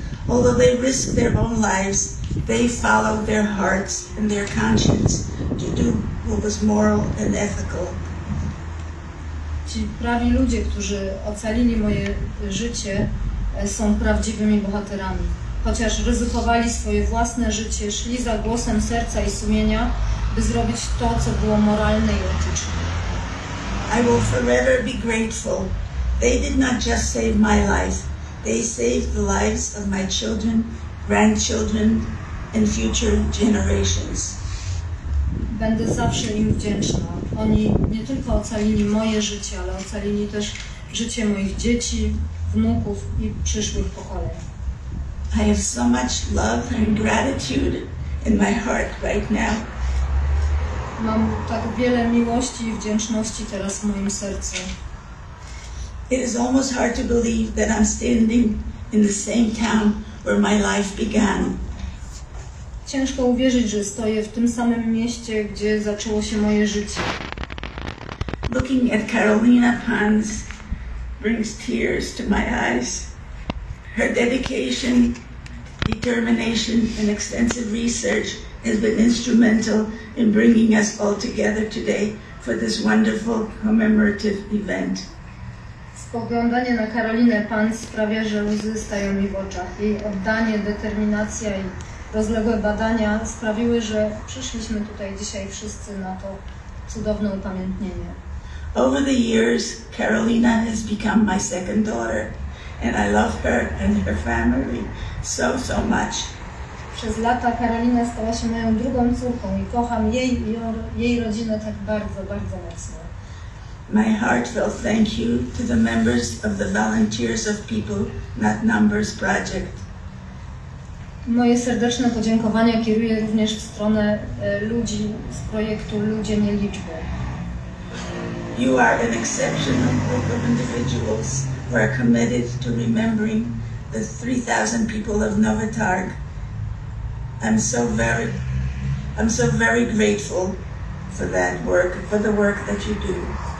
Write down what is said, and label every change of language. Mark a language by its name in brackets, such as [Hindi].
[English] Although they risk their own lives, they follow their hearts and their conscience to do what was moral and ethical. [Polish] Ci prawi ludzie, którzy ocalili moje życie, są prawdziwymi bohaterami. Chociaż ryzykowali swoje własne życie, szli za głosem serca i sumienia, by zrobić to, co było moralne i etyczne. [English] I will forever be grateful. They did not just save my life. They saved the lives of my children, grandchildren, and future generations. [Polish] Będę zawsze im wdzięczna. Oni nie tylko ocalili moje życie, ale ocalili też życie moich dzieci, wnuków i przyszłych pokoleń. [English] I have so much love and gratitude in my heart right now. [Polish] Mam tak wiele miłości i wdzięczności teraz w moim sercu. [English] It is almost hard to believe that I'm standing in the same town where my life began. [Polish] Ciężko uwierzyć, że stoję w tym samym mieście, gdzie zaczęło się moje życie. [English] Looking at Carolina Pons brings tears to my eyes. Her dedication, determination, and extensive research has been instrumental in bringing us all together today for this wonderful commemorative event. [Polish] Spoglądanie na Karolinę Pan sprawia, że łzy stają mi w oczach. Jej oddanie, determinacja i rozległe badania sprawiły, że przyszliśmy tutaj dzisiaj wszyscy na to cudowne upamiętnienie. [English] Over the years, Karolina has become my second daughter, and I love her and her family so, so much. [Polish] Przez lata Karolina stała się moją drugą córką i kocham jej i jej rodzinę tak bardzo, bardzo mocno. [English] My heartfelt thank you to the members of the Volunteers of People, Not Numbers Project. [Polish] Moje serdeczne podziękowania kieruję również w stronę ludzi z projektu Ludzie Nie Liczby. [English] You are an exceptional group of individuals who are committed to remembering the 3,000 people of Nowy Targ. I'm so very grateful for that work, for the work that you do.